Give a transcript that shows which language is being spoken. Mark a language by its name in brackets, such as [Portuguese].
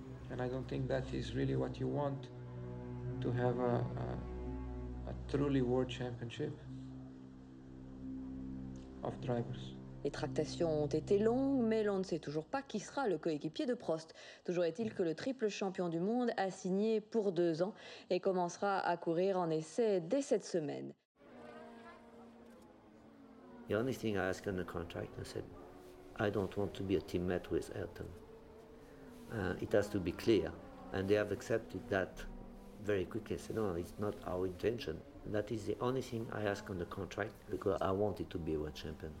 [English] And I don't think that is really what you want to have a truly world championship of drivers. [French] Les tractations ont été longues, mais l'on ne sait toujours pas qui sera le coéquipier de Prost. Toujours est-il que le triple champion du monde a signé pour 2 ans et commencera à courir en essai dès cette semaine. [English] The only thing I asked in the contract, I said, I don't want to be a teammate with Ayrton. It has to be clear. And they have accepted that very quickly. I said, no, it's not our intention. That is the only thing I ask on the contract, because I wanted to be a world champion.